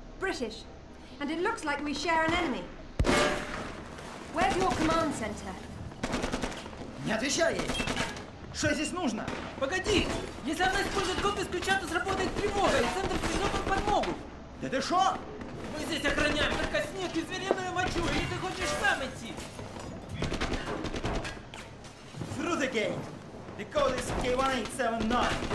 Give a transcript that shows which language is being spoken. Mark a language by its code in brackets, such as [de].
[en] British, and it looks like we share an enemy. Where's your command center? [ru] Не отвечает. Что здесь нужно? Погоди, если она использует код исключаться, сработает тревога и центр пришлет под подмогу. Да ты что? Мы здесь охраняем только снег и звериную мочу, или ты хочешь сам идти? [en] Through the gate. The code is K1879.